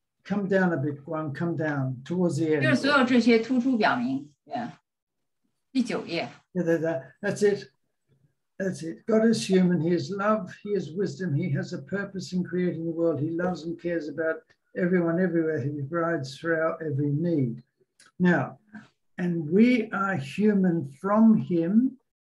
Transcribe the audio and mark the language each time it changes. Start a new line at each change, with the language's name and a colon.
English: Come down a bit, Guan, come down towards the end.
Chinese: 就是所有这些突出表明 第九页。
English: That's it. That's it. God is human. He is love. He is wisdom. He has a purpose in creating the world. He loves and cares about everyone, everywhere. He provides for our every need. Now, and we are human from him.